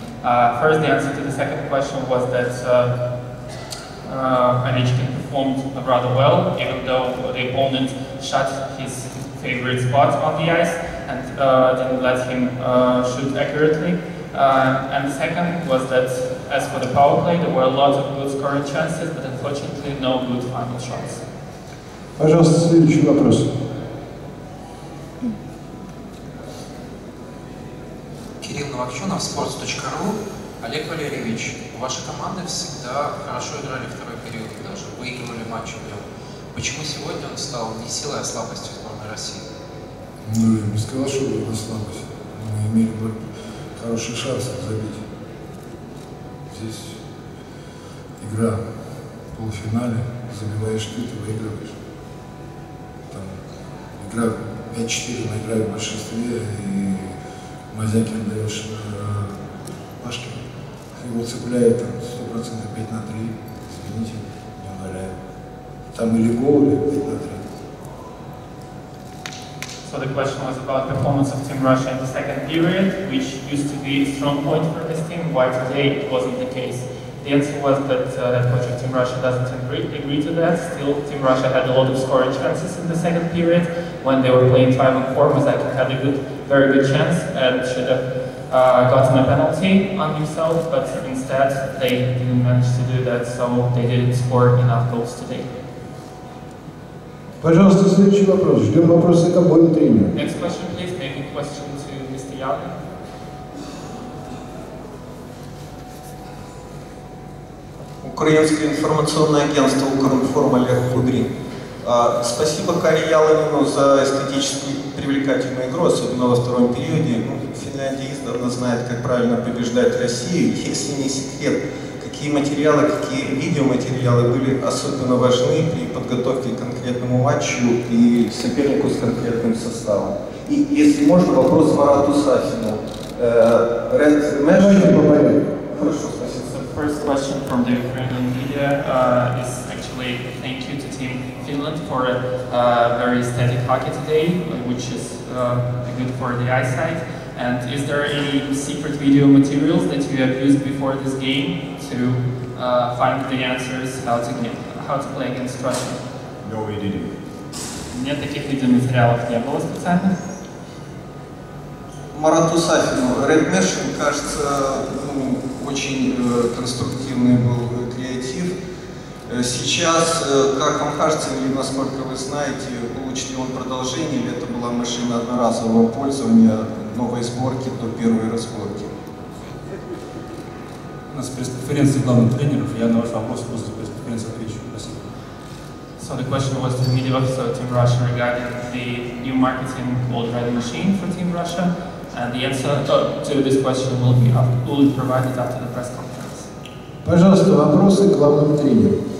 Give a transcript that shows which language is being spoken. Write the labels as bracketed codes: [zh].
[en] First, the answer to the second question was that Ovechkin performed rather well, even though the opponent shut his favorite spot on the ice and didn't let him shoot accurately. And the second was that as for the power play, there were a lot of good scoring chances, but unfortunately, no good final shots. [ru] Пожалуйста, следующий вопрос. Кирилл Новокченов, sports.ru. Олег Валерьевич, ваши команды всегда хорошо играли второй период, даже выигрывали матч в нем. Почему сегодня он стал не силой, а слабостью сборной России? Ну, я не сказал, что это слабость. Мы имели бы хороший шанс забить. Здесь игра в полуфинале, забиваешь ты, ты выигрываешь. Там игра 5-4, мы играем в большинстве, и Мазякин даешь Пашке. Его цепляет там 100% 5-3, извините, не умоляю. Там или гол, или 5-3. [en] So the question was about performance of Team Russia in the second period, which used to be a strong point for this team, why today it wasn't the case. The answer was that that coach of Team Russia doesn't agree to that. Still, Team Russia had a lot of scoring chances in the second period. When they were playing 5-4, Mazakin had a very good chance and should have gotten a penalty on himself, but instead they didn't manage to do that, so they didn't score enough goals today. [ru] Пожалуйста, следующий вопрос. Ждем вопросы к обоим тренерам. [en] Next question, please. Maybe question to Mr. Young. [ru] Украинское информационное агентство «Укринформ», Олег Кудрин. Спасибо Каре Ялонину за эстетически привлекательную игру, особенно во втором периоде. Ну, Финляндия издавна знает, как правильно побеждать Россию. Если не секрет, какие материалы, какие видеоматериалы были особенно важны при подготовке к конкретному матчу и сопернику с конкретным составом? И если можно, вопрос Марату Сафину. Хорошо. [en] First question from the Ukrainian media is actually thank you to Team Finland for a very aesthetic hockey today, which is good for the eyesight. And is there any secret video materials that you have used before this game to find the answers how to play against Russia? No, we didn't. [ru] Нет таких видеоматериалов, не было специально. Марату Сафину, Red Machine, кажется, очень конструктивный был креатив. Сейчас, как вам кажется, или насколько вы знаете, получит ли он продолжение, или это была машина одноразового пользования новой сборки до первой разборки? У нас пресс-конференция главных тренеров, я на ваш вопрос после пресс-конференции отвечу. Спасибо. [en] So the question was to the media officer Team Russia regarding the new marketing called Red Machine for Team Russia. And the answer to this question will be provided after the press conference. [ru] Пожалуйста, вопросы к главному тренеру.